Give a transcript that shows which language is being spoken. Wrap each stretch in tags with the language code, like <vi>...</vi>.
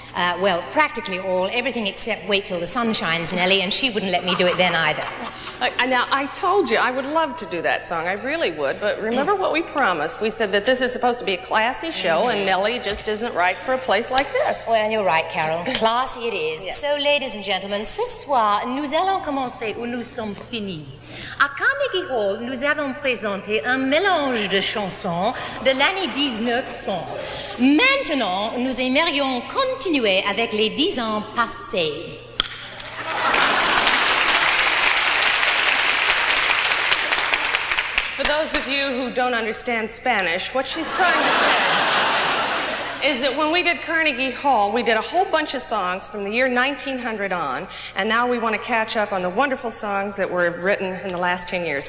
<en>Well, practically all, everything except Wait Till the Sun Shines, Nellie, and she wouldn't let me do it then either. Now, I told you I would love to do that song. I really would. But remember what we promised. We said that this is supposed to be a classy show, and Nellie just isn't right for a place like this. Well, you're right, Carol. Classy it is. Yes. So, ladies and gentlemen,</en> <fr>ce soir, nous allons commencer où nous sommes finis. À Carnegie Hall, nous avons présenté un mélange de chansons de l'année 1900. Maintenant, nous aimerions continuer avec les 10 ans passés.</fr> <en>For those of you who don't understand Spanish, what she's trying to say is that when we did Carnegie Hall, we did a whole bunch of songs from the year 1900 on, and now we want to catch up on the wonderful songs that were written in the last 10 years.</en>